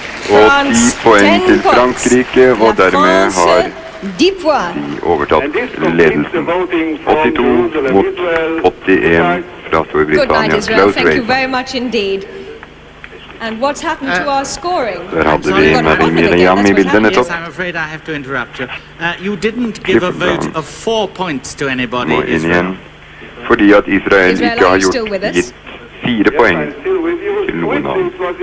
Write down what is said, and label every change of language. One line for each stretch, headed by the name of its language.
Norwegian: Og 10 poeng til Frankrike, og dermed har de overtatt ledelsen. 82 mot 81 fra Storbritannia.
English: Good night, Israel. Thank you very much indeed. And what's happened to our scoring?
Norwegian: Der hadde vi Marianna I bildet nettopp.
English: Yes, I'm afraid I have to interrupt you. You didn't give a vote of 4 points to anybody, Israel.
Norwegian: Fordi at Israel ikke har gitt 4 poeng til noen av.